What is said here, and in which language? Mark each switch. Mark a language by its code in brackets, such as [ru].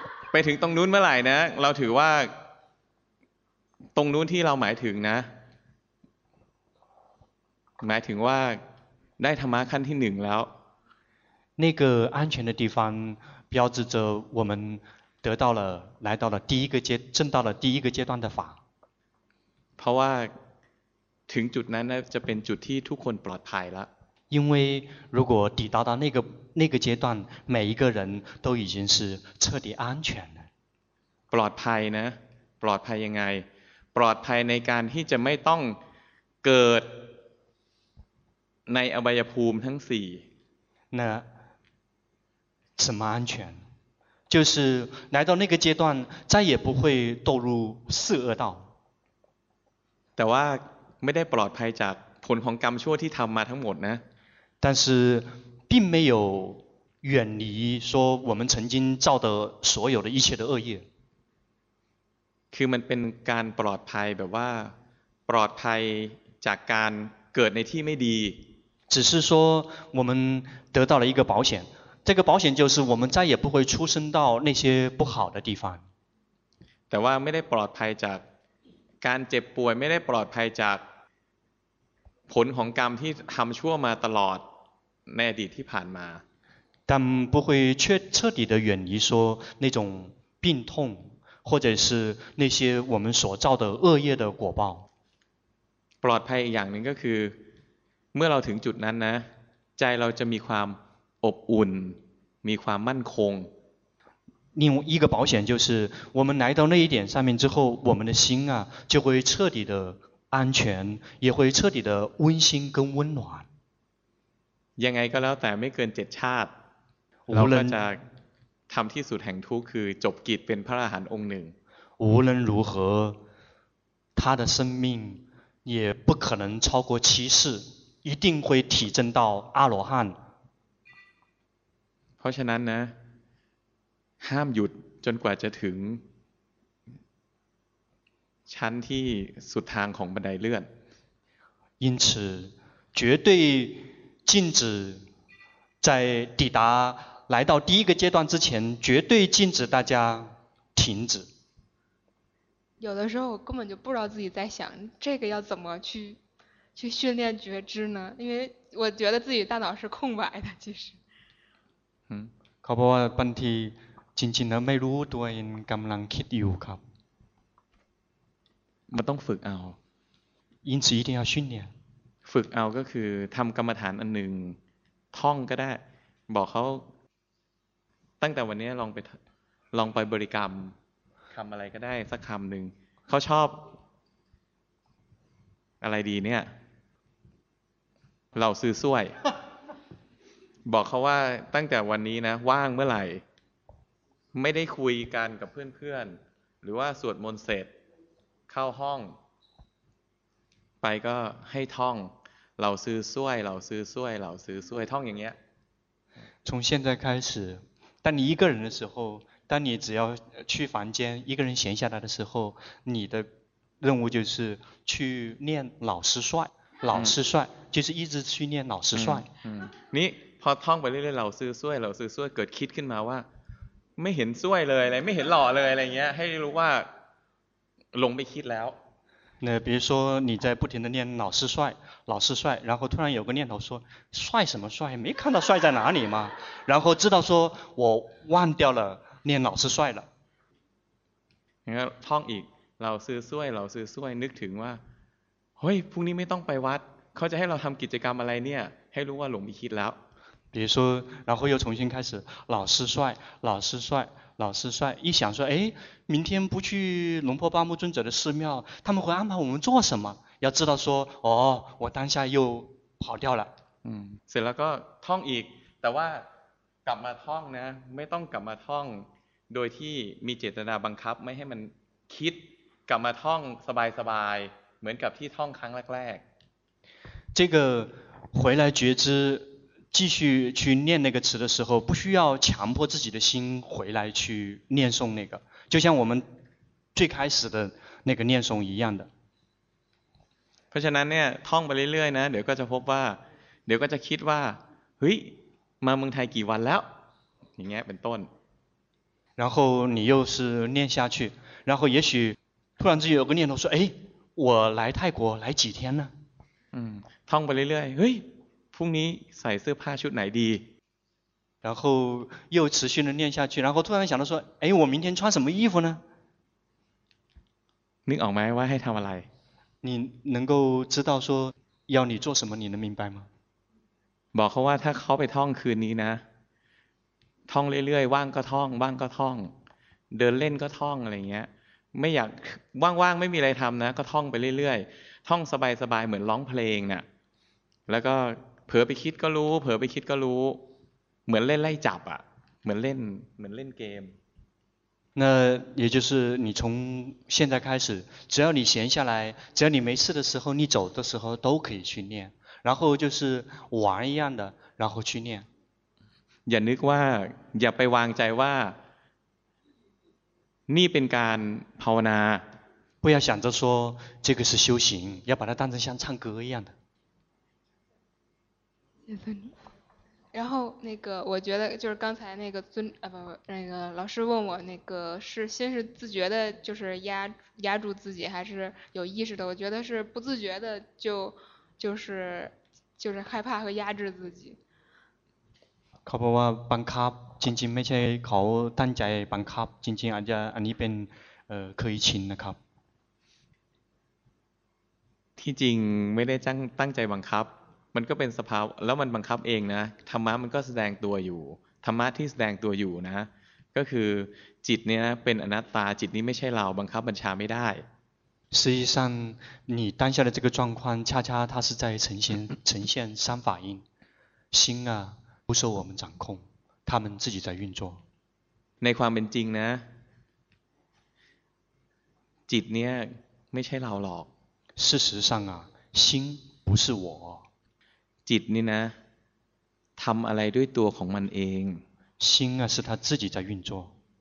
[th] ไปถึงตรงนู้นเมื่อไหร่นะเราถือว่าตรงนู้นที่เราหมายถึงนะหมายถึงว่า ได้ธรรมะขั้นที่หนึ่งแล้ว [zh] 那个安全的地方标志着我们得到了来到了第一个阶证到了第一个阶段的法 [th] เพราะว่าถึงจุดนั้นจะเป็นจุดที่ทุกคนปลอดภัยแล้ว [zh] 因为如果抵达到那个阶段每一个人都已经是彻底安全 [th] ปลอดภัยนะปลอดภัยยังไงปลอดภัยในการที่จะไม่ต้องเกิดในอบายภูมิทั้งสี่ [zh] นะ什么安全就是来到那个阶段再也不会堕入四恶道 [th] แต่ว่าไม่ได้ปลอดภัยจากผลของกรรมชั่วที่ทำมาทั้งหมดนะ [zh] 但是并没有远离说我们曾经造的所有的一切的恶业 [th] คือมันเป็นการปลอดภัยแบบว่าปลอดภัยจากการเกิดในที่ไม่ดี [zh] 只是说我们得到了一个保险这个保险就是我们再也不会出生到那些不好的地方 [th] แต่ว่าไม่ได้ปลอดภัยจากการเจ็บป่วยไม่ได้ปลอดภัยจากผลของกรรมที่ทำชั่วมาตลอดในอดีตที่ผ่านมา [zh] 但不会彻彻底的远离说那种病痛或者是那些我们所造的恶业的果报 [th] ปลอดภัยอีกอย่างหนึ่งก็คือเมื่อเราถึงจุดนั้นนะใจเราจะมีความอบอุ่นมีความมั่นคง [zh] 另一个保险就是我们来到那一点上面之后我们的心啊就会彻底的安全也会彻底的温馨跟温暖 [th] ยังไงก็แล้วแต่ไม่เกินเจ็ดชาติเราก็จะทำที่สุดแห่งทุกข์คือจบกิจเป็นพระอรหันต์องค์หนึ่ง [zh] 无论如何他的生命也不可能超过七世一定会体证到阿罗汉 [th] เพราะฉะนั้นนะห้ามหยุดจนกว่าจะถึงชั้นที่สุดทางของบันไดเลื่อน [zh] 因此绝对禁止在抵达来到第一个阶段之前绝对禁止大家停止有的时候我根本就不知道自己在想这个要怎么去训练觉知呢因为我觉得自己大脑是空白的其实 [th] ขอบคุณบางทีจริงๆแล้วไม่รู้ตัวเองกำลังคิดอยู่ครับ มันต้องฝึกเอา [zh] 因此一定要训练 [th] ฝึกเอาก็คือทำกรรมฐานอันหนึ่งท่องก็ได้บอกเขาตั้งแต่วันนี้ลองไปบริกรรมคำอะไรก็ได้สักคำหนึ่งเขาชอบ อะไรดีเนี่ยเราซื้อซวย บอกเขาว่าตั้งแต่วันนี้นะว่างเมื่อไหร่ไม่ได้คุยกันกับเพื่อนๆหรือว่าสวดมนต์เสร็จเข้าห้องไปก็ให้ท่องเราซื้อซวยเราซื้อซวยเราซื้อซวยท่องอย่างเงี้ย [zh] 从现在开始当你一个人的时候当你只要去房间一个人闲下来的时候你的任务就是去念老师帅老师帅就是一直去念老师帅 [th] นี่พอท่องไปเรื่อยๆเราซื้อซวยเราซื้อซวยเกิดคิดขึ้นมาว่าไม่เห็นซวยเลยอะไรไม่เห็นหล่อเลยอะไรเงี้ยให้รู้ว่าลงไปคิดแล้ว [zh] เนี่ย比如说你在不停的念老师帅老师帅然后突然有个念头说帅什么帅没看到帅在哪里吗然后知道说我忘掉了念老师帅了 [th] 然后ท่องอีกเราซื้อซวยเราซื้อซวยนึกถึงว่าเฮ้ยพรุ่งนี้ไม่ต้องไปวัดเขาจะให้เราทำกิจกรรมอะไรเนี่ยให้รู้ว่าหลงไปคิดแล้ว [zh] 比如说然后又重新开始老师帅老师帅老师帅一想说哎明天不去龙婆巴木尊者的寺庙他们会安排我们做什么要知道说哦我当下又跑掉了 [th] เสร็จแล้วก็ท่องอีกแต่ว่ากลับมาท่องนะไม่ต้องกลับมาท่องโดยที่มีเจตนาบังคับไม่ให้มันคิดกลับมาท่องสบายๆเหมือนกับที่ท่องครั้งแรก [zh] ๆ这个回来觉知继续去念那个词的时候不需要强迫自己的心回来去念诵那个就像我们最开始的那个念诵一样的 [th] เพราะฉะนั้นเนี่ยท่องไปเรื่อยๆนะเดี๋ยวก็จะพบว่าเดี๋ยวก็จะคิดว่าเฮ้ยมาเมืองไทยกี่วันแล้วอย่างเงี้ยเป็นต้น [zh] 然后你又是念下去然后也许突然之间有个念头说哎我来泰国来几天呢 [th] ท่องไปเรื่อยๆเฮ้ย พรุ่งนี้ใส่เสื้อผ้าชุดไหนดี [zh] 然后又持续的念下去然后突然想到说哎我明天穿什么衣服呢 [th] นึกออกไหมว่าให้ทำอะไร [zh] 你能够知道说要你做什么你能明白吗 [th] บอกเขาว่าถ้าเขาไปท่องคืนนี้นะท่องเรื่อยๆว่างก็ท่องว่างก็ท่องเดินเล่นก็ท่องอะไรเงี้ยไม่อยากว่างๆไม่มีอะไรทำนะก็ท่องไปเรื่อยๆท่องสบายๆเหมือนร้องเพลงเนี่ยแล้วก็เผลอไปคิดก็รู้เผลอไปคิดก็รู้เหมือนเล่นไล่จับอ่ะเหมือนเล่นเกม [zh] 那也就是你从现在开始只要你闲下来只要你没事的时候你走的时候都可以去念然后就是玩一样的然后去念 [th] อย่านึกว่าอย่าไปวางใจว่านี่เป็นการภาวนา [zh] 不要想着说这个是修行要把它当成像唱歌一样的然后那个我觉得就是刚才那个尊啊不那个老师问我那个是先是自觉的就是压住自己还是有意识的我觉得是不自觉的就是害怕和压制自己 [th] เขาบอกว่าบังคับจริงๆไม่ใช่เขาตั้งใจบังคับจริงๆอาจจะอันนี้เป็นเคยชินนะครับ ที่จริงไม่ได้ตั้งใจบังคับมันก็เป็นสภาพแล้วมันบังคับเองนะธรรมะมันก็แสดงตัวอยู่ธรรมะที่แสดงตัวอยู่นะก็คือจิตเนี้ยเป็นอนัตตาจิตนี้ไม่ใช่เราบังคับบัญชาไม่ได้ [zh] 实际上你当下的这个状况恰恰它是在呈现三法印心啊不受我们掌控他们自己在运作 [th] ในความเป็นจริงนะจิตเนี้ยไม่ใช่เราหรอก [zh] 事实上啊心不是我 [th] จิตนี่นะทำอะไรด้วยตัวของมันเอง [zh] 心啊是他自己在运作